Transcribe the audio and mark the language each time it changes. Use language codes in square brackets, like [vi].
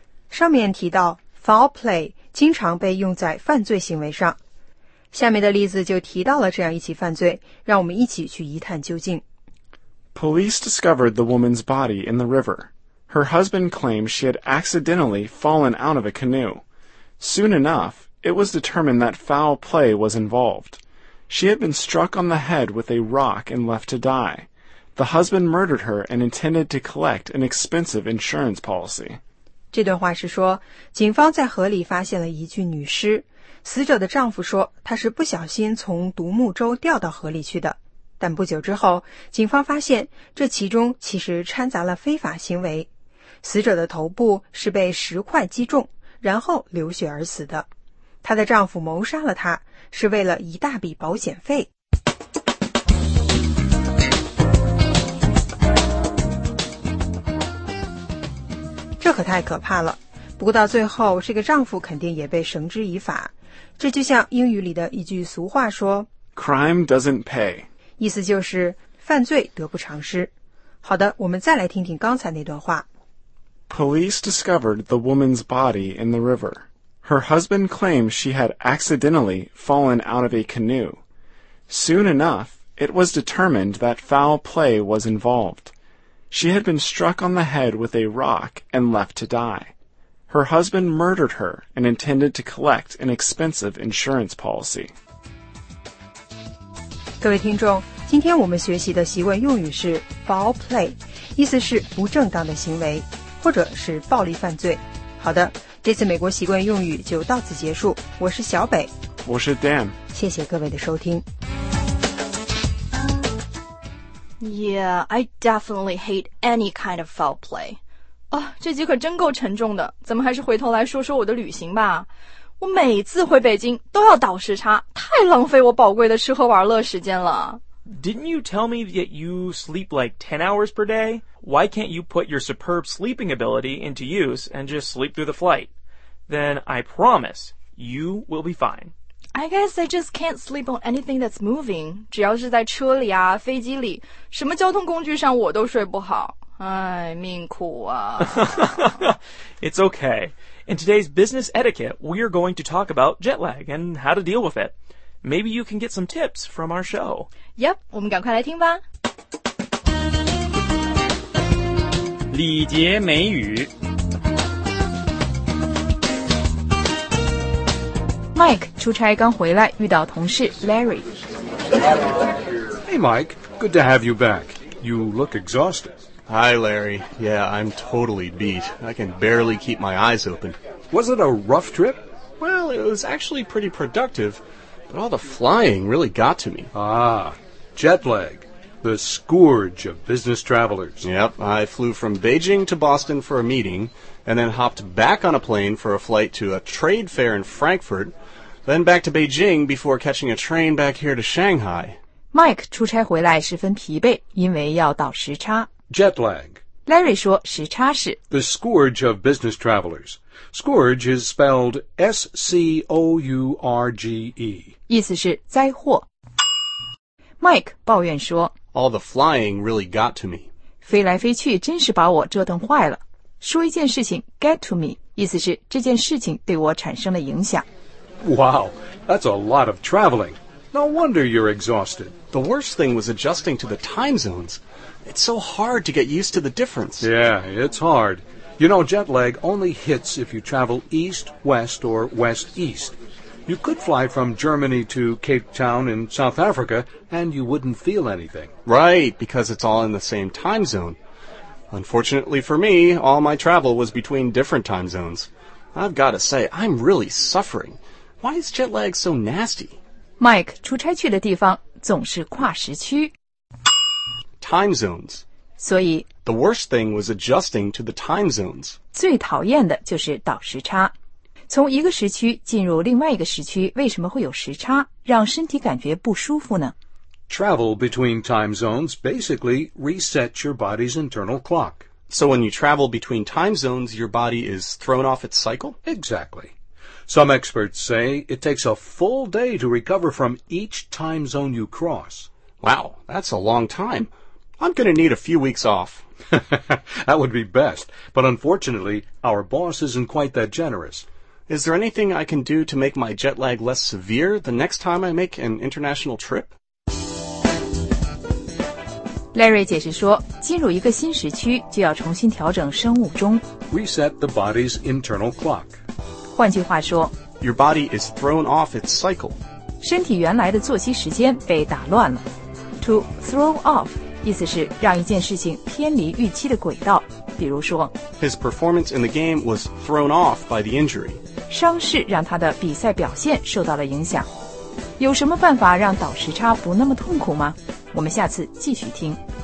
[zh] 上面提到 foul play 经常被用在犯罪行为上。下面的例子就提到了这样一起犯罪，让我们一起去一探究竟。 [en] Police discovered the woman's body in the river. Her husband claimed she had accidentally fallen out of a canoe. Soon enough, it was determined that foul play was involved. She had been struck on the head with a rock and left to die. The husband murdered her and intended to collect an expensive insurance policy. [zh] 这段话是说，警方在河里发现了一具女尸。死者的丈夫说，他是不小心从独木舟掉到河里去的。但不久之后，警方发现这其中其实掺杂了非法行为。死者的头部是被石块击中，然后流血而死的。她的丈夫谋杀了她，是为了一大笔保险费。这可太可怕了。不过到最后，这个丈夫肯定也被绳之以法。这就像英语里的一句俗话说 [en] Crime doesn't pay， [zh] 意思就是犯罪得不偿失。好的，我们再来听听刚才那段话。 [en] Police discovered the woman's body in the river. Her husband claimed she had accidentally fallen out of a canoe. Soon enough, it was determined that foul play was involved. She had been struck on the head with a rock and left to die. Her husband murdered her and intended to collect an expensive insurance policy. [zh] 各位听众，今天我们学习的习惯用语是 foul play， 意思是不正当的行为，或者是暴力犯罪。好的，这次美国习惯用语就到此结束。我是小北，我是 Dan，谢谢各位的收听。 [en] Yeah, I definitely hate any kind of foul play. [zh] 哦，这节可真够沉重的，咱们还是回头来说说我的旅行吧。我每次回北京都要倒时差，太浪费我宝贵的吃喝玩乐时间了。 [en] Didn't you tell me that you sleep like 10 hours per day? Why can't you put your superb sleeping ability into use and just sleep through the flight? Then I promise you will be fine. I guess I just can't sleep on anything that's moving. [zh] 只要是在车里啊，飞机里，什么交通工具上我都睡不好。哎，命苦啊。 [en] It's okay. In today's business etiquette, we are going to talk about jet lag and how to deal with it. Maybe you can get some tips from our show. [zh] Yep, 我们赶快来听吧。礼节美语。 Mike 出差刚回来，遇到同事 Larry。 [en] Hey Mike, good to have you back. You look exhausted. Hi, Larry. Yeah, I'm totally beat. I can barely keep my eyes open. Was it a rough trip? Well, it was actually pretty productive, but all the flying really got to me. Ah, jet lag, the scourge of business travelers. Yep, I flew from Beijing to Boston for a meeting, and then hopped back on a plane for a flight to a trade fair in Frankfurt, then back to Beijing before catching a train back here to Shanghai. [zh] Mike 出差回来十分疲惫，因为要倒时差。 [en] Jet lag. [zh] Larry 说时差是 [en] The scourge of business travelers. Scourge is spelled S-C-O-U-R-G-E. [zh] 意思是灾祸。Mike 抱怨说 [en] All the flying really got to me. [zh] 飞来飞去真是把我折腾坏了。说一件事情 [en] get to me, [zh] 意思是这件事情对我产生了影响。 [en] Wow, that's a lot of traveling. No wonder you're exhausted. The worst thing was adjusting to the time zones. It's so hard to get used to the difference. Yeah, it's hard. You know, jet lag only hits if you travel east-west or west-east. You could fly from Germany to Cape Town in South Africa, and you wouldn't feel anything. Right, because it's all in the same time zone. Unfortunately for me, all my travel was between different time zones. I've got to say, I'm really suffering. Why is jet lag so nasty? [zh] Mike, 出差去的地方总是跨时区。 [en] Time zones. [zh] 所以 [en] The worst thing was adjusting to the time zones. [zh] 最讨厌的就是倒时差。从一个时区进入另外一个时区，为什么会有时差，让身体感觉不舒服呢？ [en] Travel between time zones basically resets your body's internal clock. So when you travel between time zones, your body is thrown off its cycle? Exactly. Some experts say it takes a full day to recover from each time zone you cross. Wow, that's a long time. I'm going to need a few weeks off. That would be best, but unfortunately, our boss isn't quite that generous. Is there anything I can do to make my jet lag less severe the next time I make an international trip? [zh] Larry 解释说，进入一个新时区就要重新调整生物钟。 [en] Reset the body's internal clock. [zh] 换句话说， [en] Your body is thrown off its cycle. [zh] 身体原来的作息时间被打乱了。 [en] To throw off [zh] 意思是让一件事情偏离预期的轨道。比如说， [en] His performance in the game was thrown off by the injury. [zh] 伤势让他的比赛表现受到了影响。有什么办法让倒时差不那么痛苦吗？我们下次继续听。